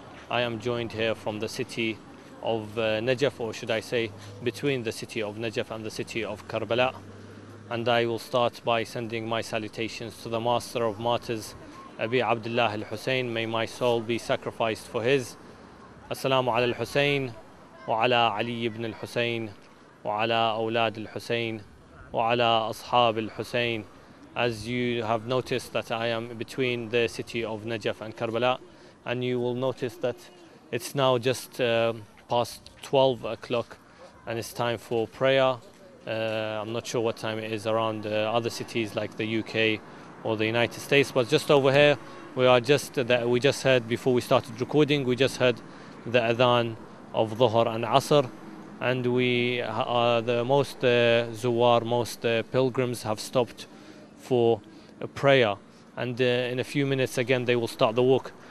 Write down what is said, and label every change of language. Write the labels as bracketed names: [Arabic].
[English] I am joined here from the city of Najaf, or should I say between the city of Najaf and the city of Karbala. And I will start by sending my salutations to the Master of Martyrs, Abi Abdullah al-Hussein. May my soul be sacrificed for his. [Arabic] السلام على الحسين وعلى علي بن الحسين وعلى أولاد الحسين وعلى أصحاب الحسين. [English] As you have noticed that I am between the city of Najaf and Karbala, and you will notice that it's now just past 12 o'clock and it's time for prayer. I'm not sure what time it is around other cities like the UK or the United States, but just over here we just heard the adhan of Dhuhr and Asr, and we are the most zuwar, most pilgrims have stopped for a prayer, and in a few minutes again they will start the walk.